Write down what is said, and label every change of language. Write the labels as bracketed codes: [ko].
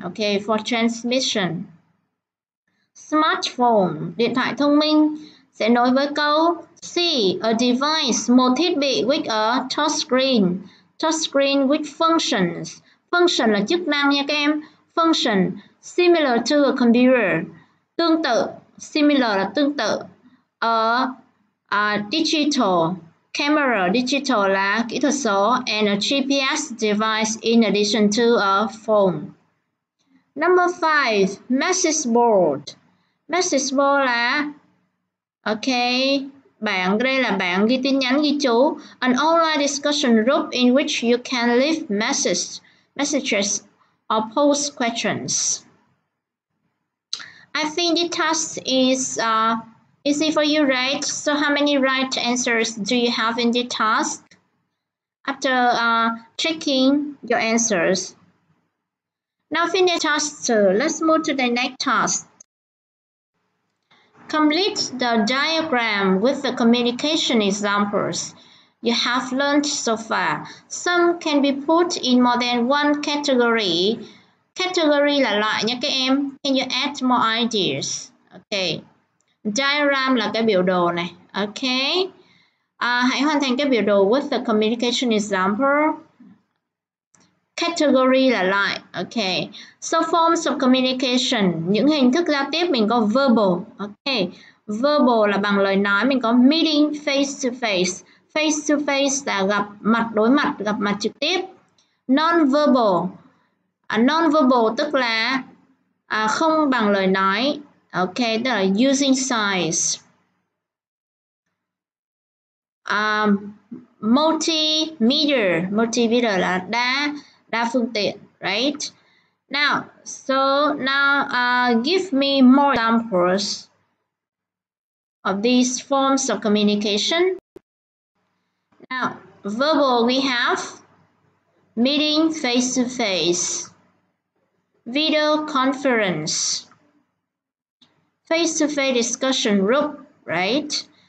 [vi] Okay, [en] for transmission. [vi] Smartphone, điện thoại thông minh, sẽ nối với câu C, [en] a device, [vi] một thiết bị [en] with a touchscreen. Touchscreen with functions. [vi] Function là chức năng nha các em. [en] Function, similar to a computer. [vi] Tương tự, [en] similar [vi] là tương tự. [en] A digital camera, digital [vi] là kỹ thuật số. [en] And a GPS device in addition to a phone. Number five, message board. [vi] Message board là, okay, bảng, đây là bảng ghi tin nhắn, ghi chú. [en] An online discussion group in which you can leave messages or post questions. I think this task is easy for you, right? So how many right answers do you have in this task? After checking your answers. Now finish task 2, let's move to the next task. Complete the diagram with the communication examples you have learned so far. Some can be put in more than one category. [vi] Category là loại nha các em. [en] Can you add more ideas? Okay. [vi] Diagram là cái biểu đồ này. Okay. Hãy hoàn thành cái biểu đồ [en] with the communication example. [vi] Category là loại. Okay. [en] So forms of communication, [vi] những hình thức giao tiếp, mình có verbal. Okay. Verbal là bằng lời nói, mình có [en] meeting face to face. Face to face [vi] là gặp mặt đối mặt, gặp mặt trực tiếp. Non-verbal. Non-verbal tức là không bằng lời nói. [en] Okay, [vi] tức là [en] using signs. [vi] Multimedia. Multimedia là đa phương tiện, [en] right? Now, give me more examples of these forms of communication. Now, verbal we have meeting face to face, video conference, face to face discussion group, right?